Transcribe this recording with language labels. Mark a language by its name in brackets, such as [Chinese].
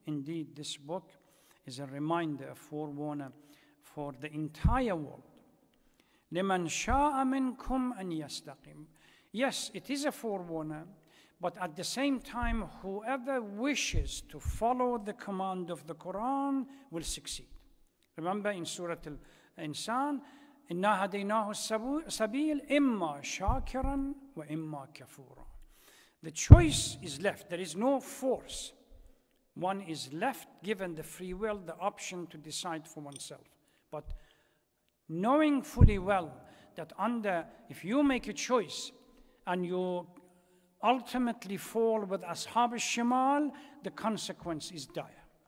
[English] Indeed, this book is a reminder, a forerunner for the entire world. [Arabic] لِمَنْ شَاءَ مِنْكُمْ أَنْ يَسْتَقِيمُ. [English] Yes, it is a forerunner, but at the same time, whoever wishes to follow the command of the Quran will succeed. Remember in Surah Al-Insan, [Arabic] إِنَّا هَدَيْنَاهُ السَّبِيلِ إِمَّا شَاكِرًا وَإِمَّا كَفُورًا. [English] The choice is left. There is no force. One is left given the free will, the option to decide for oneself. But knowing fully well that if you make a choice and you ultimately fall with Ashab al-Shimal, the consequence is dire.